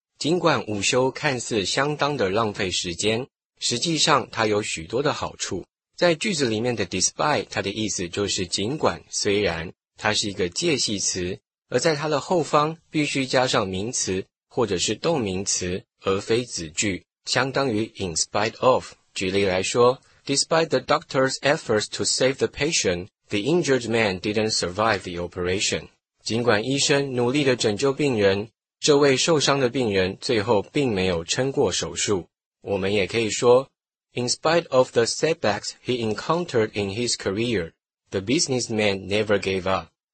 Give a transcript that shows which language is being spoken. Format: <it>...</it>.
<zh>尽管午休看似相当的浪费时间,实际上它有许多的好处。在句子里面的despite, 它的意思就是尽管,虽然,它是一个介系词, 而在它的后方必须加上名词或者是动名词而非子句, 相当于in spite of. 举例来说,</zh> <en>Despite the doctor's efforts to save the patient, the injured man didn't survive the operation.</en> <zh>尽管医生努力地拯救病人, 这位受伤的病人最后并没有撑过手术。我们也可以说,</zh> <en>In spite of the setbacks he encountered in his career, the businessman never gave up.</en>